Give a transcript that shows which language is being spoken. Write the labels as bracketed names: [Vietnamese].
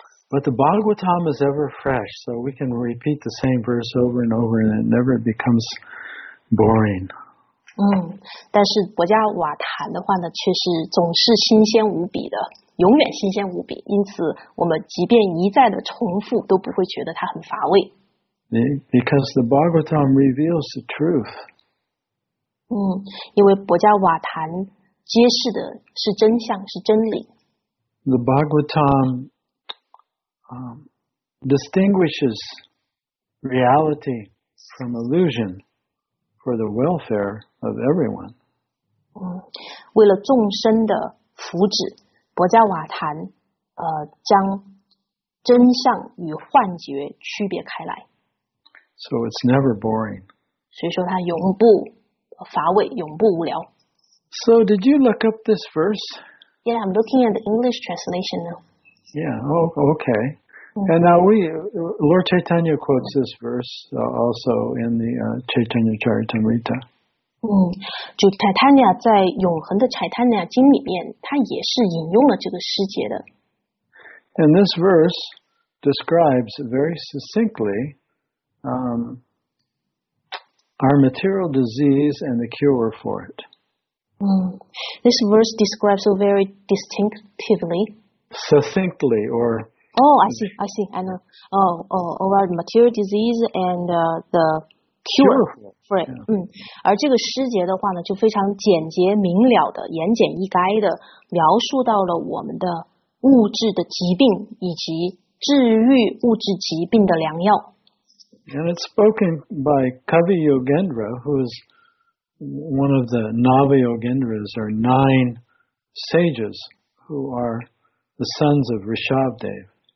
[English] But the Bhagavatam is ever fresh, so we can repeat the same verse over and over, and it never becomes boring. [Chinese] 但是博迦瓦坛的话呢，却是总是新鲜无比的，永远新鲜无比。因此，我们即便一再的重复，都不会觉得它很乏味。 [English] Because the Bhagavatam reveals the truth. [Chinese] 因为博迦瓦坛揭示的是真相，是真理。 [English] The Bhagavatam. Distinguishes reality from illusion for the welfare of everyone. [Chinese] 为了众生的福祉，博迦瓦坛将真相与幻觉区别开来。 [English] So it's never boring. [Chinese] 所以说它永不乏味，永不无聊。 [English] So did you look up this verse? Yeah, I'm looking at the English translation now. Yeah. Oh, okay. And now Lord Chaitanya quotes this verse also in the Chaitanya Charitamrita. [Chinese] 就泰坦尼亚在永恒的柴坦尼亚经里面，他也是引用了这个诗节的。 [English] And this verse describes very succinctly our material disease and the cure for it. This verse describes very distinctively. Succinctly or... I know. About material disease and the cure for it. [Chinese] 而这个诗节的话呢，就非常简洁明了的、言简意赅的描述到了我们的物质的疾病以及治愈物质疾病的良药。 [English] And it's spoken by Kavi Yogendra, who is one of the Nava Yogendras, or nine sages, who are the sons of Rishabhdev.